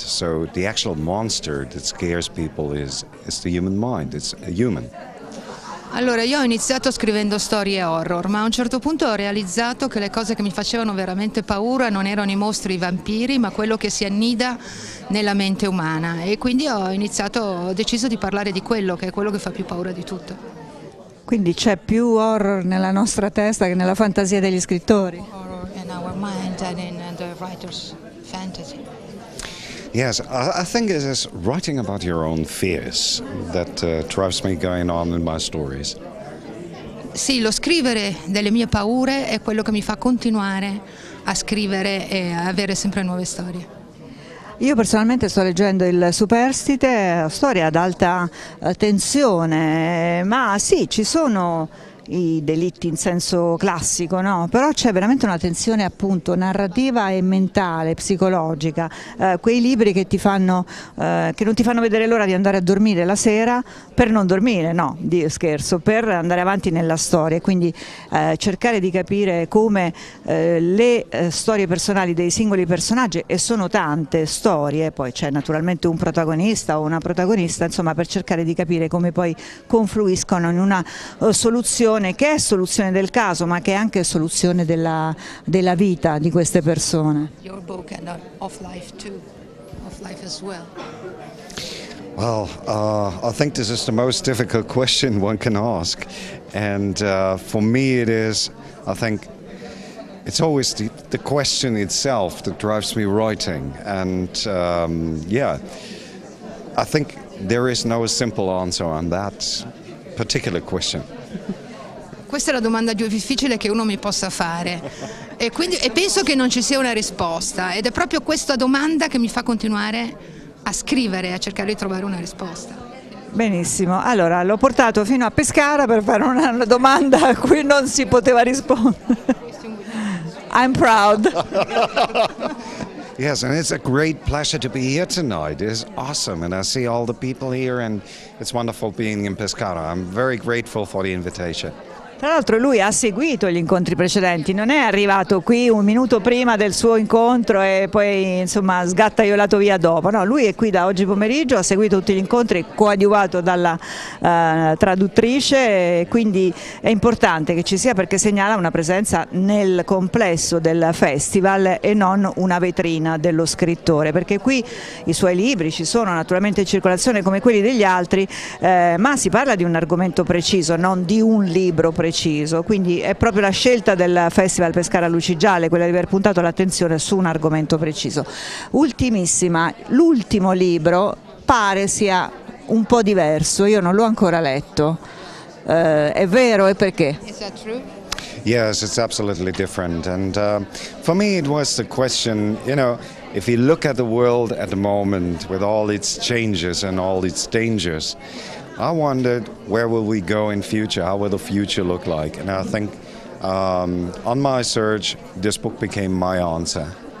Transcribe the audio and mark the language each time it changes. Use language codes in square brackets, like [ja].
[en] So the actual monster that scares people is the human mind, it's a human. [it] Allora, io ho iniziato scrivendo storie horror, ma a un certo punto ho realizzato che le cose che mi facevano veramente paura non erano i mostri, i vampiri, ma quello che si annida nella mente umana. E quindi ho deciso di parlare di quello, che è quello che fa più paura di tutto. Quindi c'è più horror nella nostra testa che nella fantasia degli scrittori. [en] Horror in our mind and in the writers. fantasy. Yes, I think it is writing about your own fears that drives me going on in my stories. [it] Sì, lo scrivere delle mie paure è quello che mi fa continuare a scrivere e a avere sempre nuove storie. Io personalmente sto leggendo Il Superstite, storia ad alta tensione, ma sì, ci sono i delitti in senso classico, no? Però c'è veramente una tensione appunto narrativa e mentale, psicologica, quei libri che ti fanno, che non ti fanno vedere l'ora di andare a dormire la sera per non dormire, no, Dio scherzo, per andare avanti nella storia, quindi cercare di capire come le storie personali dei singoli personaggi, e sono tante storie, poi c'è naturalmente un protagonista o una protagonista, insomma, per cercare di capire come poi confluiscono in una soluzione che è soluzione del caso, ma che è anche soluzione della vita di queste persone. [en] Your book and of life too, of life as well. Well, I think this is the most difficult question one can ask, and for me it is, I think it's always the question itself that drives me writing, and yeah, I think there is no simple answer on that particular question. [it] Questa è la domanda più difficile che uno mi possa fare e penso che non ci sia una risposta, ed è proprio questa domanda che mi fa continuare a scrivere, a cercare di trovare una risposta. Benissimo, allora l'ho portato fino a Pescara per fare una domanda a cui non si poteva rispondere. [en] I'm proud. Yes, and it's a great pleasure to be here tonight. It's awesome, and I see all the people here, and it's wonderful being in Pescara. I'm very grateful for the invitation. [it] Tra l'altro lui ha seguito gli incontri precedenti, non è arrivato qui un minuto prima del suo incontro e poi insomma sgattaiolato via dopo, no, lui è qui da oggi pomeriggio, ha seguito tutti gli incontri, coadiuvato dalla traduttrice, quindi è importante che ci sia, perché segnala una presenza nel complesso del festival e non una vetrina dello scrittore, perché qui i suoi libri ci sono naturalmente in circolazione come quelli degli altri, ma si parla di un argomento preciso, non di un libro preciso, quindi è proprio la scelta del Festival Pescara Lucigiale quella di aver puntato l'attenzione su un argomento preciso. Ultimissima, l'ultimo libro pare sia un po' diverso, io non l'ho ancora letto, è vero e perché? [en] Is that true? Yes, it's absolutely different, and for me it was the question, you know, if you look at the world at the moment with all its changes and all its dangers, I wondered where will we go in future, how will the future look like, and I think on my search this book became my answer.